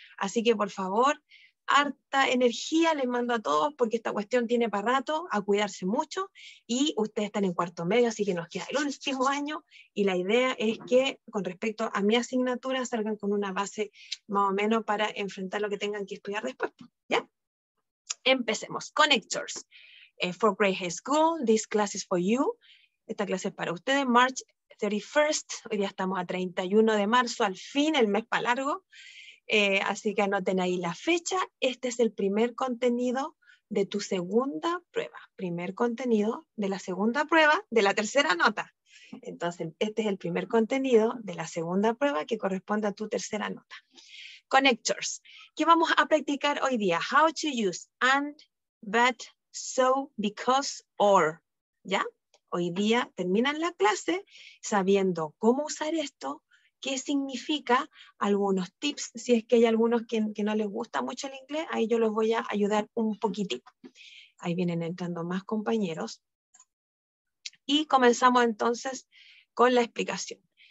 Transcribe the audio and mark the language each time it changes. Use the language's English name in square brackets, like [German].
[Spanish] Así que, por favor, harta energía les mando a todos, porque esta cuestión tiene para rato, a cuidarse mucho, y ustedes están en cuarto medio, así que nos queda el último año, y la idea es que, con respecto a mi asignatura, salgan con una base más o menos para enfrentar lo que tengan que estudiar después, ¿ya? Empecemos. Connectors. [English] For Grey High School, this class is for you. [Spanish] Esta clase es para ustedes. [English] March 31st. [Spanish] Hoy día estamos a 31 de marzo, al fin, el mes para largo. Así que anoten ahí la fecha. Este es el primer contenido de tu segunda prueba. Primer contenido de la segunda prueba de la tercera nota. Entonces, este es el primer contenido de la segunda prueba que corresponde a tu tercera nota. Connectors. ¿Qué vamos a practicar hoy día? [English] How to use and, but, so, because, or. [Spanish] ¿Ya? Hoy día terminan la clase sabiendo cómo usar esto, qué significa, algunos tips, si es que hay algunos que no les gusta mucho el inglés, ahí yo los voy a ayudar un poquitito. Ahí vienen entrando más compañeros. Y comenzamos entonces con la explicación.